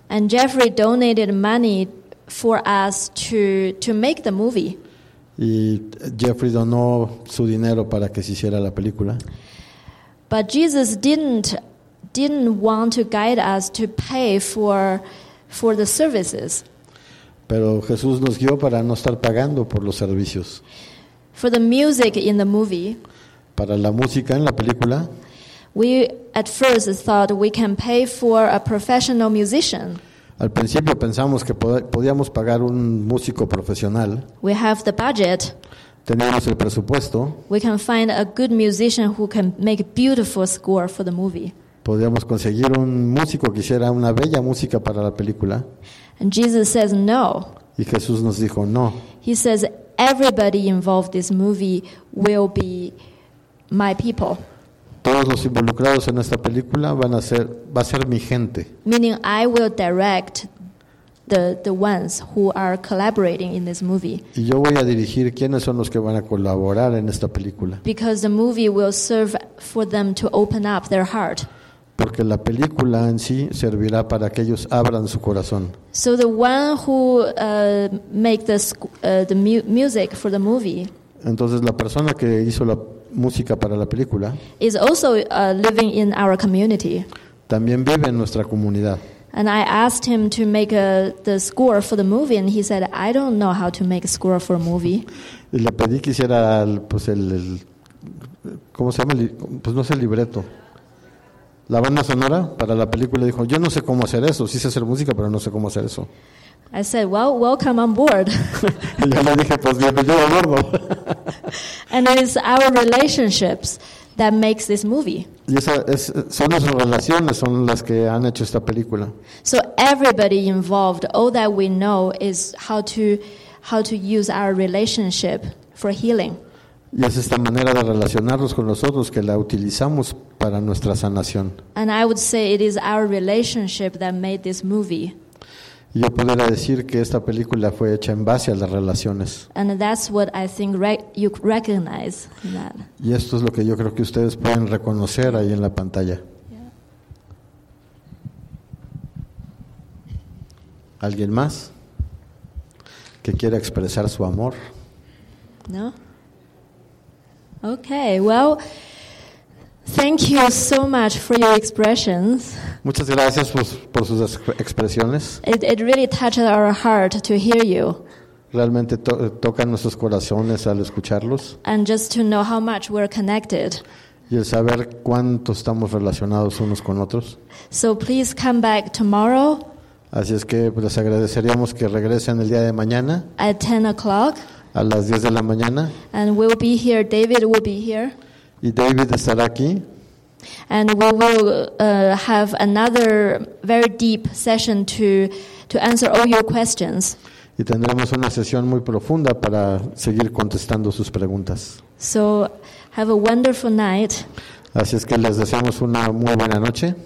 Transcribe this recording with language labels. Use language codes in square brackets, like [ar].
[en] And Jeffrey donated money for us to make the movie. [es] Y Jeffrey donó su dinero para que se hiciera la película. [en] But Jesus didn't want to guide us to pay for the services. [es] Pero Jesús nos guió para no estar pagando por los servicios. [en] For the music in the movie. [es] Para la música en la película. [en] We at first thought we can pay for a professional musician. [es] Al principio pensamos que podíamos pagar un músico profesional. [en] We have the budget. [es] Teníamos el presupuesto. [en] We can find a good musician who can make a beautiful score for the movie. [es] Podíamos conseguir un músico que hiciera una bella música para la película. [en] And Jesus says no. [es] Y Jesús nos dijo no. [en] He says everybody involved in this movie will be my people. [es] Todos los involucrados en esta película van a ser, va a ser mi gente. [en] Meaning I will direct the ones who are collaborating in this movie. [es] Y yo voy a dirigir quiénes son los que van a colaborar en esta película. [en] Because the movie will serve for them to open up their heart. [es] Porque la película en sí servirá para que ellos abran su corazón. [en] So the one who make the music for the movie. [es] Entonces la persona que hizo la música para la película [en] is also living in our community. [es] También vive en nuestra comunidad. [en] And I asked him to make the score for the movie, and he said, "I don't know how to make a score for a movie." [es] Y le pedí que hiciera pues el ¿cómo se llama? Pues no sé, el libreto. La banda sonora para la película. Dijo, "Yo no sé cómo hacer eso. Sí sé hacer música, pero no sé cómo hacer eso." [en] I said, "Well, welcome on board." [es] Y yo le dije, "Pues bienvenido a bordo." [en] And it is our relationships that makes this movie. [es] Y esa es, son nuestras relaciones, son las que han hecho esta película. [en] So everybody involved, all that we know is how to use our relationship for healing. [es] Y es esta manera de relacionarnos con nosotros que la utilizamos para nuestra sanación. [en] And I would say it is our relationship that made this movie. [es] Y yo podría decir que esta película fue hecha en base a las relaciones. [en] And that's what I think you recognize that. [es] Y esto es lo que yo creo que ustedes pueden reconocer ahí en la pantalla. Yeah. ¿Alguien más que quiera expresar su amor? No. [en] Okay, well, thank you so much for your expressions. [es] Muchas gracias por sus expresiones. [en] It really touches our heart to hear you. [es] Realmente tocan nuestros corazones al escucharlos. [en] And just to know how much we're connected. [es] Y el saber cuánto estamos relacionados unos con otros. [en] So please come back tomorrow. [es] Así es que les agradeceríamos que regresen el día de mañana. [en] At 10 o'clock. [es] A las 10 de la mañana. [en] And we'll be here. David will be here. [es] Y David estará aquí. [en] And we will have another very deep session to answer all your questions. [es] Y tendremos una sesión muy profunda para seguir contestando sus preguntas. [en] So have a wonderful night. [es] Así es que les deseamos una muy buena noche.